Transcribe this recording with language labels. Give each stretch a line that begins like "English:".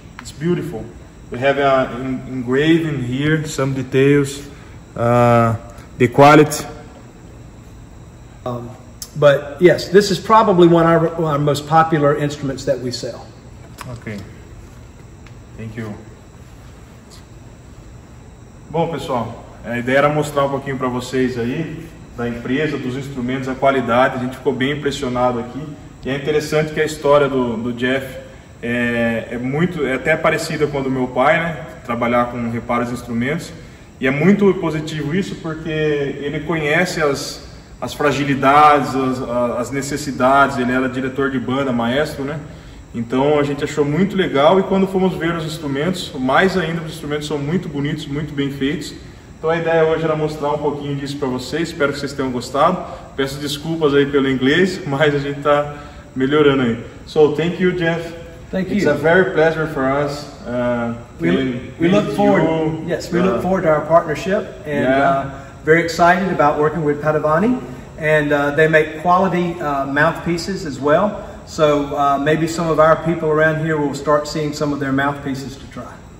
English: It's beautiful. We have an engraving here, some details the quality. But yes, this is probably one of our most popular instruments that we sell. Okay. Thank you.
Portuguese: Bom, pessoal, a ideia era mostrar um pouquinho para vocês aí da empresa, dos instrumentos, a qualidade. A gente ficou bem impressionado aqui. E é interessante que a história do Jeff é até parecida com a do meu pai, né? Trabalhar com reparos de instrumentos. E é muito positivo isso porque ele conhece as fragilidades, as necessidades. Ele era diretor de banda, maestro, né? Então a gente achou muito legal e quando fomos ver os instrumentos, mais ainda, os instrumentos são muito bonitos, muito bem feitos. Então a ideia hoje era mostrar um pouquinho disso para vocês, espero que vocês tenham gostado. Peço desculpas aí pelo inglês, mas a gente está melhorando aí.
English: So, thank you, Jeff. Thank you. It's a very pleasure for us. We look forward to our partnership and very excited about working with Padovani. And they make quality mouthpieces as well. So maybe some of our people around here will start seeing some of their mouthpieces to try.